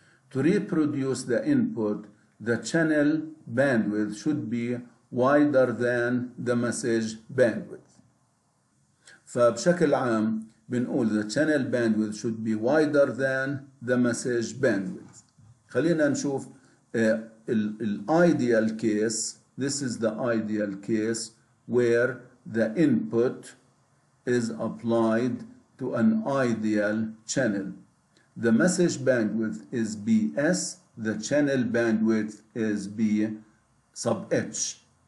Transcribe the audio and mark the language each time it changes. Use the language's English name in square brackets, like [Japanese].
[English] To reproduce the input, the channel bandwidth should be wider than the message bandwidth. [Arabic] فبشكل عام بنقول [English] the channel bandwidth should be wider than the message bandwidth. [Arabic] خلينا نشوف الـ ideal case. [English] This is the ideal case where the input is applied to an ideal channel. The message bandwidth is BS, the channel bandwidth is B sub H.